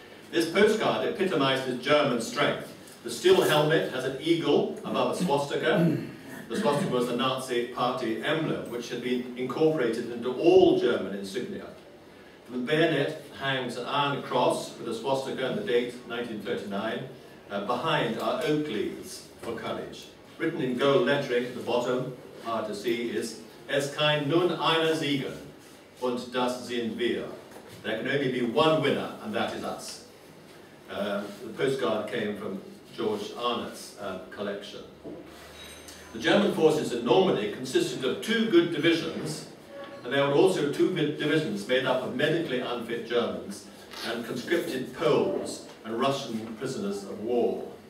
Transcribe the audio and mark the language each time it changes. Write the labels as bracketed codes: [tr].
[en] This postcard epitomizes German strength. The steel helmet has an eagle above a swastika. The swastika was the Nazi Party emblem, which had been incorporated into all German insignia. From the bayonet hangs an iron cross with a swastika and the date 1939 behind are oak leaves for courage. written in gold lettering at the bottom, hard to see, is [de] Es kann nun einer siegen, und das sind wir. [en] There can only be one winner, and that is us. The postcard came from George Arnott's collection. The German forces in Normandy consisted of two good divisions, and there were also two divisions made up of medically unfit Germans and conscripted Poles and Russian prisoners of war.